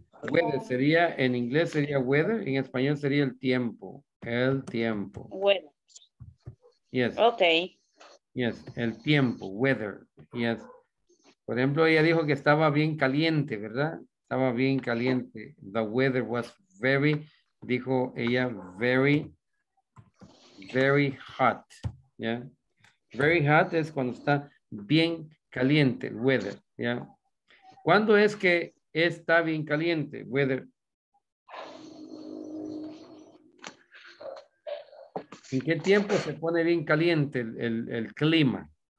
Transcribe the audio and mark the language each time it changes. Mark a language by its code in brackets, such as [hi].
[es] Weather sería, en inglés sería weather, en español sería el tiempo. [en] Weather. Yes. Okay. Yes, [es] el tiempo, [en] weather. Yes. [es] Por ejemplo, ella dijo que estaba bien caliente, ¿verdad? Estaba bien caliente. [en] The weather was very, [es] dijo ella, [en] very, very hot. Yeah. Very hot [es] es cuando está bien caliente, el weather, ¿ya? ¿Cuándo es que está bien caliente, weather? ¿En qué tiempo se pone bien caliente el clima?